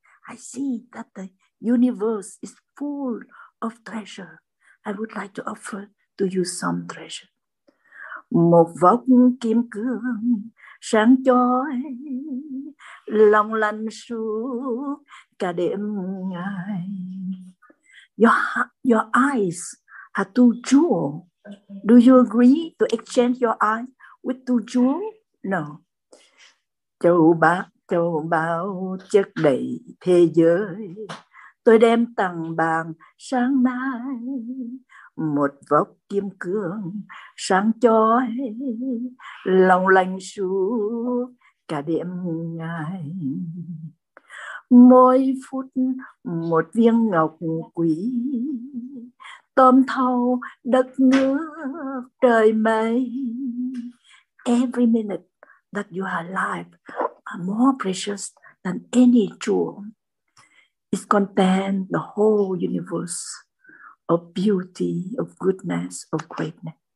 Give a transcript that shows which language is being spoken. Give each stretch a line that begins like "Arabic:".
English: I see that the universe is full of treasure. I would like to offer to you some treasure.
Vietnamese: Một vóc kim cương sáng chói, lòng lành suốt cả đêm ngày.
English: Your eyes are two jewels. Do you agree to exchange your eyes with two jewels? No.
Vietnamese: Châu báu chất đầy thế giới, tôi đem tặng bạn sáng nay. Một vóc kim cương sáng chói, lòng lành suốt cả đêm ngày. Mỗi phút một viên ngọc quý, tôm thâu đất nước trời mây.
English: Every minute that you are alive are more precious than any jewel. It contains the whole universe of beauty, of goodness, of greatness.